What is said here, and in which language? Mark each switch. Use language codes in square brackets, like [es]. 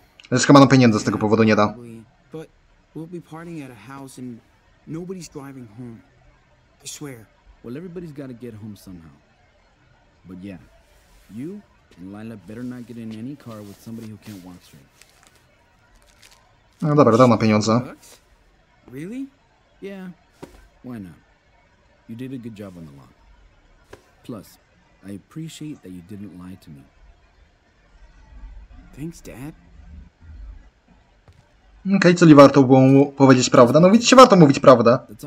[pl] Zresztą ma nam pieniędzy z tego powodu nie da. [en] We'll be partying at a house and nobody's driving home. I swear. Well, everybody's got to get home somehow. But yeah, you and Lila better not get in any car with somebody who can't walk straight. [pl] No dobra, dam na pieniądze. [en] Really? Yeah. Why not? You did a good job on the lot. Plus, I appreciate that you didn't lie to me. Thanks, Dad. [pl] Okej, okay, czyli warto było mu powiedzieć prawdę. No widzicie, warto mówić prawdę.